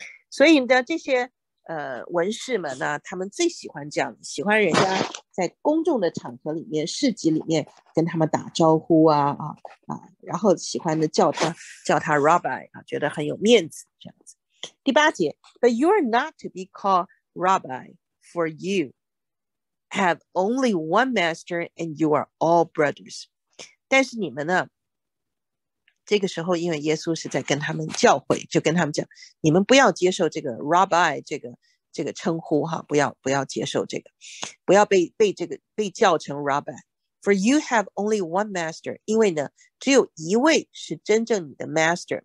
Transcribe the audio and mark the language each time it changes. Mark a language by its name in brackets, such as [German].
[Chinese] 所以呢，这些文士们呢，他们最喜欢这样，喜欢人家在公众的场合里面、市集里面跟他们打招呼啊，然后喜欢的叫他 Rabbi 啊，觉得很有面子这样子。第八节 [English] ，But you are not to be called Rabbi。 For you have only one master, and you are all brothers. [Chinese] 但是你们呢？这个时候，因为耶稣是在跟他们教诲，就跟他们讲：你们不要接受这个 Rabbi 这个称呼哈，不要接受这个，不要被叫成 Rabbi. [English] For you have only one master. [Chinese] 因为呢，只有一位是真正你的 master.